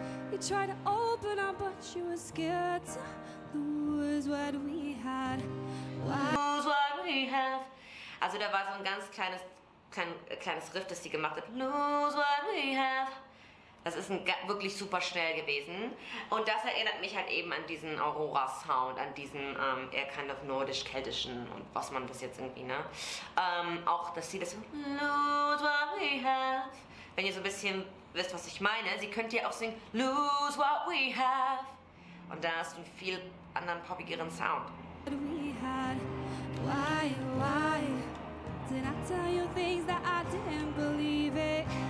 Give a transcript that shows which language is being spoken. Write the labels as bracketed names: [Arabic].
[English] You tried to open up, but you were scared to lose what we had. Lose what we have. [German] Also da war so ein ganz kleines Riff, das sie gemacht hat. [English] Lose what we have. [German] Das ist wirklich super schnell gewesen. Und das erinnert mich halt eben an diesen Aurora-Sound, an diesen eher [English] kind of [German] nordisch-keltischen und was man das jetzt irgendwie, ne? Auch, dass sie das [English] Lose what we have. [German] Wenn ihr so ein bisschen wisst, was ich meine, sie könnte ja auch singen Lose what we have. Und da hast du einen viel anderen, poppigeren Sound. [English] What we had, why did I tell you things that I didn't believe it?